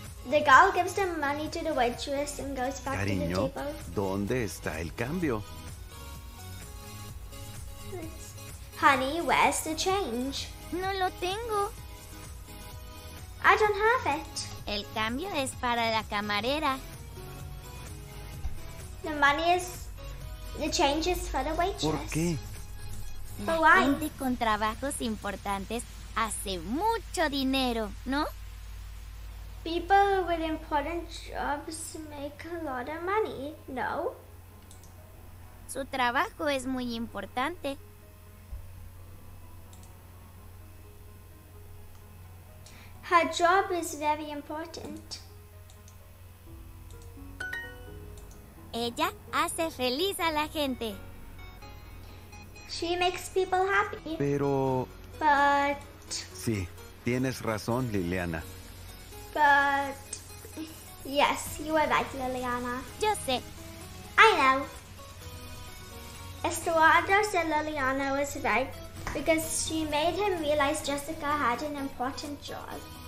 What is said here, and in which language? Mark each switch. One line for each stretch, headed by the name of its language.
English: The girl gives the money to the waitress and goes back
Spanish: Cariño,
English: to the table.
Spanish: ¿Dónde está el cambio?
English: Honey, where's the change?
Spanish: No lo tengo.
English: I don't have it.
Spanish: El cambio es para la camarera.
English: The money is... The change is for the waitress.
Spanish: ¿Por qué? La gente con trabajos importantes hace mucho dinero, ¿no?
English: People with important jobs make a lot of money, ¿no?
Spanish: Su trabajo es muy importante.
English: Her job is very important.
Spanish: Ella hace feliz a la gente.
English: She makes people happy.
Spanish: Pero...
English: But...
Spanish: Sí, tienes razón, Liliana.
English: But, yes, you were right, Liliana.
Spanish: Yo sé.
English: I know. Estuardo said Liliana was right because she made him realize Jessica had an important job.